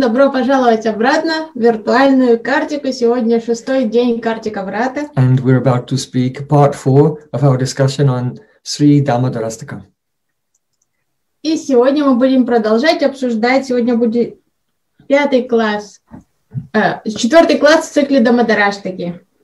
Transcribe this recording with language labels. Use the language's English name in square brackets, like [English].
[Russian] Добро пожаловать обратно в виртуальную Картику. Сегодня 6-й день Картика Врата. [English] And we're about to speak part 4 of our discussion on Sri Damodarashtakam. [Russian] И сегодня мы будем продолжать обсуждать. Сегодня будет 5-й класс. 4-й класс в цикле Дамодараштаки.